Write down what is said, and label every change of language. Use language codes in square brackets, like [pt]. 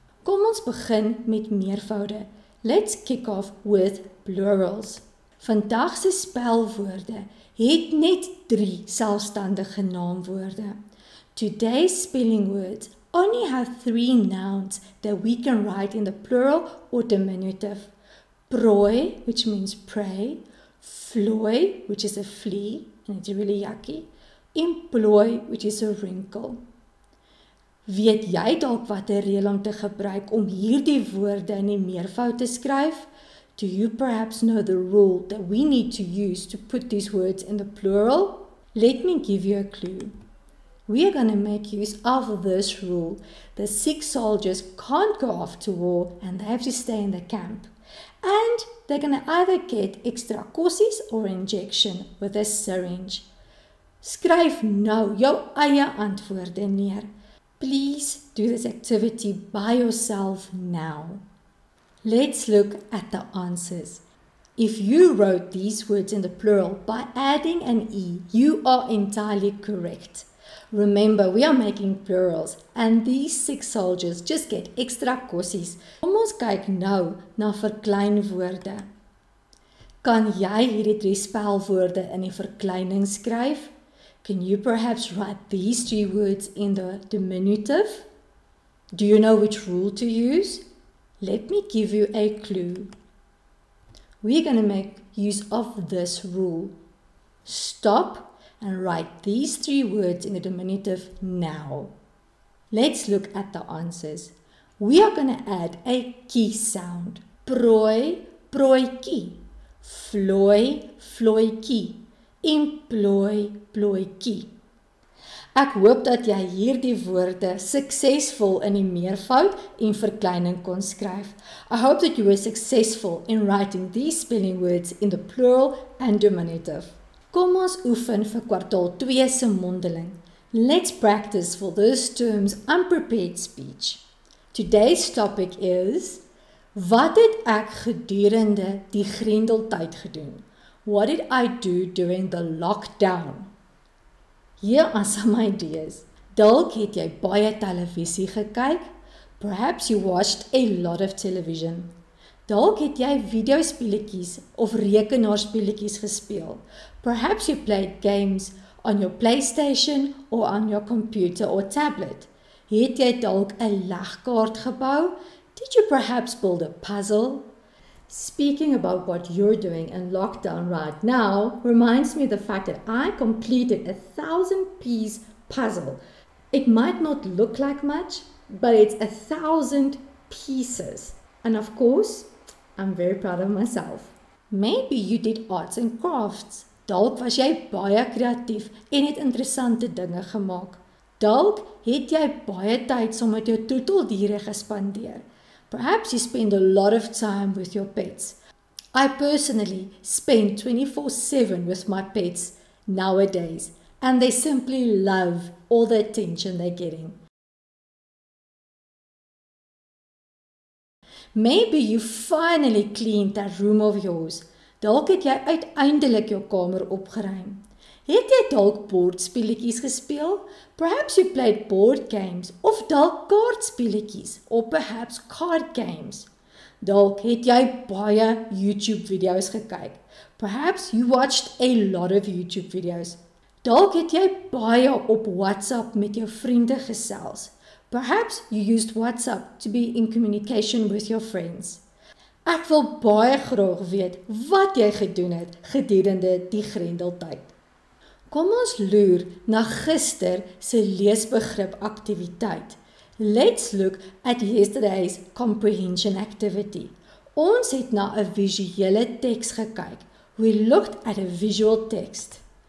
[af] Kom ons begin met meervoude. [en] Let's kick off with plurals. [af] Vandag se spelwoorde het net 3 selfstandige naamwoorde. [en] Today's spelling words only have 3 nouns that we can write in the plural or diminutive. Prooi, which means prey, vlooi, which is a flea, and it's really yucky, en plooi, which is a wrinkle. [af] Weet jy dalk wat 'n reël om te gebruik om hierdie woorde in die meervoud te skryf? [en] Do you perhaps know the rule that we need to use to put these words in the plural? Let me give you a clue. We are going to make use of this rule. The 6 soldiers can't go off to war and they have to stay in the camp. And they're going to either get extra kosies or injection with a syringe. [af] Skryf nou jou eie antwoorde neer. [en] Please do this activity by yourself now. Let's look at the answers. If you wrote these words in the plural by adding an E, you are entirely correct. Remember, we are making plurals and these 6 soldiers just get extra kosies. [af] Kom ons kyk nou na verkleinwoorde. Kan jy hierdie 3 spelwoorde in die verkleining skryf? [en] Can you perhaps write these 3 words in the diminutive? Do you know which rule to use? Let me give you a clue. We're going to make use of this rule. Stop and write these 3 words in the diminutive now. Let's look at the answers. We are going to add a ki sound. [af] Prooi, prooikie. Vlooi, vlooikie. Employ, ploikie. Ek hoop dat jy hierdie woorde suksesvol in die meervoud en verkleining kon skryf. [en] I hope that you were successful in writing these spelling words in the plural and diminutive. [af] Kom ons oefen vir kwartaal 2 se mondeling. [en] Let's practice for those terms unprepared speech. Today's topic is, [af] wat het ek gedurende die grendeltyd gedoen? [en] What did I do during the lockdown? Here are some ideas. [af] Dalk het jy baie televisie gekyk. [en] Perhaps you watched a lot of television. [af] Dalk het jy videospeletjies of rekenaarspeletjies gespeel. [en] Perhaps you played games on your PlayStation or on your computer or tablet. [af] Het jy dalk 'n legkaart gebou? [en] Did you perhaps build a puzzle? Speaking about what you're doing in lockdown right now reminds me of the fact that I completed a 1,000-piece puzzle. It might not look like much, but it's 1,000 pieces. And of course, I'm very proud of myself. Maybe you did arts and crafts. [af] Dalk was jy baie kreatief en het interessante dinge gemaak. Dalk het jy baie tyd saam met jou troeteldiere gespandeer. [en] Perhaps you spend a lot of time with your pets. I personally spend 24/7 with my pets nowadays, and they simply love all the attention they're getting. Maybe you finally cleaned that room of yours. [af] Dalk het jy uiteindelik jou kamer opgeruim. Het jy dalk bordspeletjies gespeel? [en] Perhaps you played board games [af] of dalk kaartspeletjies [en] or perhaps card games. [af] Dalk het jy baie YouTube video's gekyk. [en] Perhaps you watched a lot of YouTube video's. [af] Dalk het jy baie op WhatsApp met jou vriende gesels. [en] Perhaps you used WhatsApp to be in communication with your friends. [af] Ek wil baie graag weet wat jy gedoen het gedurende die grendeltyd. Kom ons loer na gister se leesbegrip aktiwiteit. [en] Let's look at yesterday's comprehension activity. [af] Ons het na 'n visuele teks gekyk. [en] We looked at a visual text.